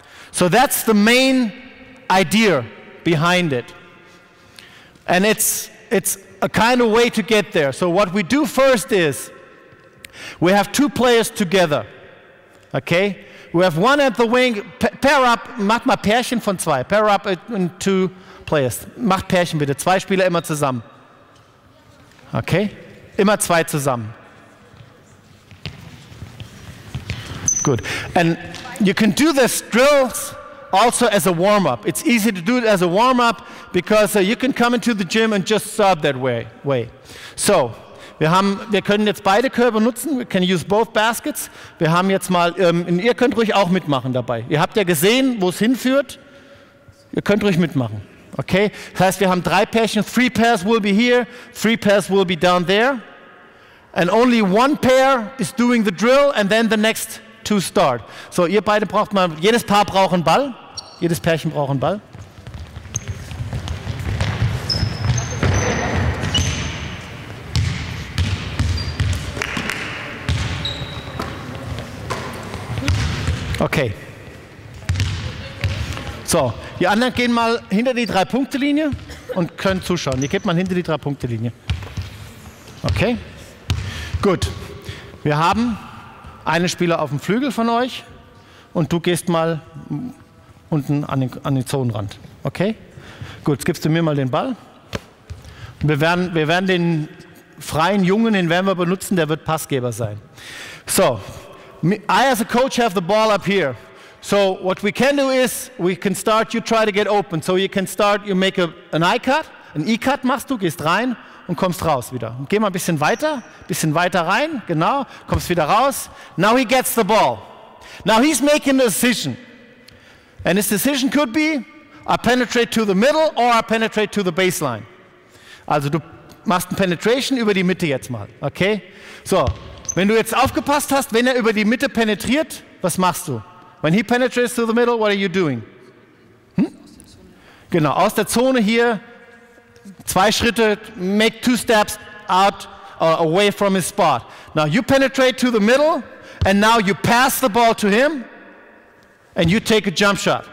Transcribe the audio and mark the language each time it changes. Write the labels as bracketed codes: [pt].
[en] So that's the main idea behind it. And it's a kind of way to get there. So what we do first is we have two players together, okay? We have one at the wing, pair up, [de] mach mal Pärchen von zwei, [en] pair up in two players. [de] Mach Pärchen bitte, zwei Spieler immer zusammen. Okay, immer zwei zusammen. [en] Good. And you can do this drills also as a warm-up. It's easy to do it as a warm-up because you can come into the gym and just sub that way. [de] So, wir können jetzt beide Körbe nutzen. [en] We can use both baskets. [de] Wir haben jetzt mal, ihr könnt ruhig auch mitmachen dabei. Ihr habt ja gesehen, wo es hinführt. Ihr könnt ruhig mitmachen. Okay? Das heißt, wir haben drei Pärchen. [en] Three pairs will be here. Three pairs will be down there. And only one pair is doing the drill and then the next to start. [de] So, ihr beide braucht mal, jedes Paar braucht einen Ball. Jedes Pärchen braucht einen Ball. Okay. So, die anderen gehen mal hinter die Drei-Punkte-Linie und können zuschauen. Ihr geht mal hinter die Drei-Punkte-Linie. Okay. Gut. Wir haben einen Spieler auf dem Flügel von euch und du gehst mal unten an den Zonenrand. Okay? Gut, jetzt gibst du mir mal den Ball. Wir werden den freien Jungen, den werden wir benutzen, der wird Passgeber sein. So. [en] I as a coach have the ball up here. So what we can do is we can start, you try to get open. So you can start, you make an E-Cut [de] machst du, gehst rein und kommst raus wieder. Geh mal ein bisschen weiter rein, genau, kommst wieder raus. [en] Now he gets the ball. Now he's making a decision. And his decision could be, I penetrate to the middle or I penetrate to the baseline. [de] Also du machst ein Penetration über die Mitte jetzt mal, okay? So. Wenn du jetzt aufgepasst hast, wenn er über die Mitte penetriert, was machst du? [en] When he penetrates through the middle, what are you doing? Hm? [de] Genau, aus der Zone hier, zwei Schritte, [en] make two steps out, away from his spot. Now you penetrate to the middle, and now you pass the ball to him, and you take a jump shot.